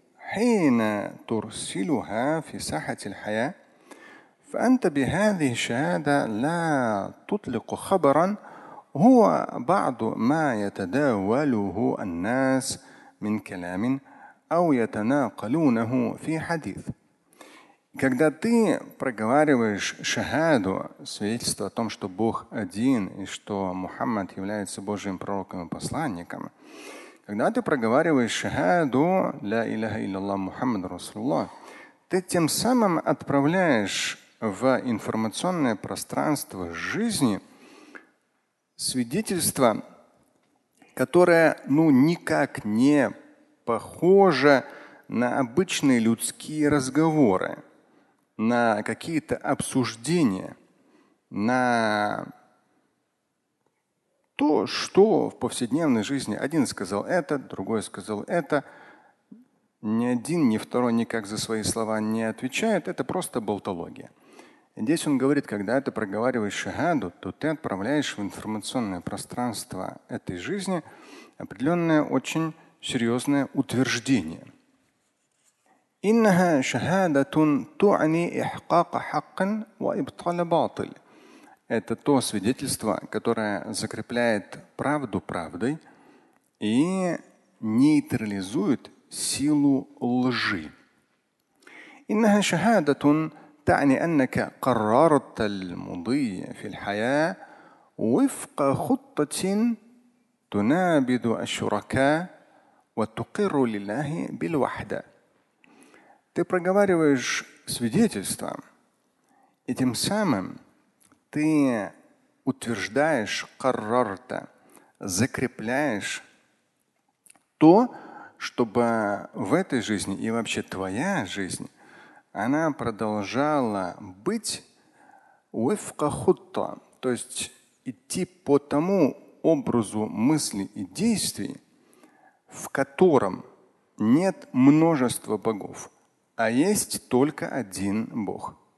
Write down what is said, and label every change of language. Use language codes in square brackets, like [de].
[ar] حين ترسلها في ساحة الحياة فأنت بهذه الشهادة لا تطلق خبرا هو بعض ما يتداوله الناس من كلام أو يتناقلونه في حديث. [ru] Когда ты проговариваешь шахаду, свидетельство о том, что Бог один и что Мухаммад является Божьим пророком и посланником, когда ты проговариваешь шахаду [ar] «Ля илляха илляллах Мухаммад Расулла», [ru] ты тем самым отправляешь в информационное пространство жизни свидетельство, которое никак не похоже на обычные людские разговоры, на какие-то обсуждения, на то, что в повседневной жизни один сказал это, другой сказал это. Ни один, ни второй никак за свои слова не отвечает. Это просто болтология. Здесь он говорит, когда ты проговариваешь шахаду, то ты отправляешь в информационное пространство этой жизни определенное очень серьезное утверждение. [ar] إنها شهادة تعني إحقاق حق وإبطال باطل. [ru] Это то свидетельство, которое закрепляет правду правдой и нейтрализует силу лжи. [ar] إنها شهادة تعني أنك قررت المضي في الحياة وفق خطة تنابذ الشركاء وتقر لله بالوحدة. [ru] Ты проговариваешь свидетельство, и тем самым ты утверждаешь каррарта, закрепляешь то, чтобы в этой жизни и вообще твоя жизнь, она продолжала быть уэфкахутта, то есть идти по тому образу мыслей и действий, в котором нет множества богов, а есть только один Бог.